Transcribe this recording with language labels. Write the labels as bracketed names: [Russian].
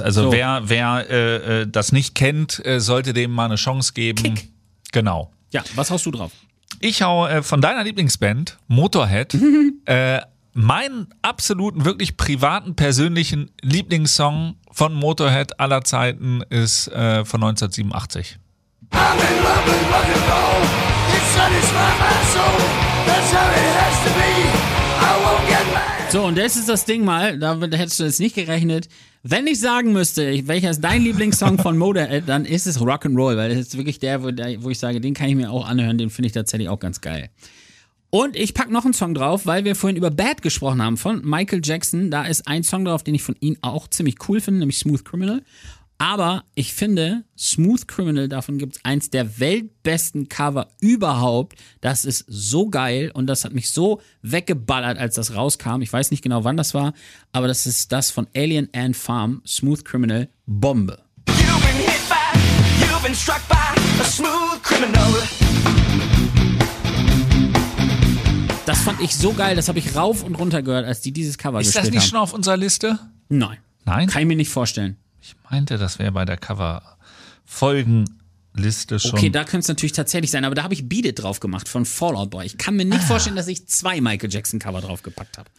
[German] Also wer das nicht kennt, sollte dem mal eine Chance geben. Kick. Genau. Ja, was haust du drauf? Ich hau von deiner Lieblingsband, Motorhead, meinen absoluten, wirklich privaten, persönlichen Lieblingssong von Motorhead aller Zeiten ist von 1987. [English] I'm in love with rock and roll. It satisfies my soul. That's how it has to be. I won't get mad. [German] So, und das ist das Ding mal, da hättest du jetzt nicht gerechnet. Wenn ich sagen müsste, welcher ist dein Lieblingssong von Motorhead, dann ist es Rock'n'Roll, weil das ist wirklich der, wo ich sage, den kann ich mir auch anhören, den finde ich tatsächlich auch ganz geil. Und ich packe noch einen Song drauf, weil wir vorhin über Bad gesprochen haben von Michael Jackson. Da ist ein Song drauf, den ich von ihm auch ziemlich cool finde, nämlich Smooth Criminal. Aber ich finde, Smooth Criminal, davon gibt es eins der weltbesten Cover überhaupt. Das ist so geil und das hat mich so weggeballert, als das rauskam. Ich weiß nicht genau, wann das war, aber das ist das von Alien Ant Farm, Smooth Criminal, Bombe. [English] You've been hit by, you've been struck by a smooth criminal. [German] Das fand ich so geil, das habe ich rauf und runter gehört, als die dieses Cover gespielt haben. Ist das nicht schon auf unserer Liste? Nein. Nein? Kann ich mir nicht vorstellen. Ich meinte, das wäre bei der Cover-Folgenliste schon. Okay, da könnte es natürlich tatsächlich sein, aber da habe ich Beat It drauf gemacht von Fall Out Boy. Ich kann mir nicht vorstellen, dass ich zwei Michael Jackson-Cover draufgepackt habe.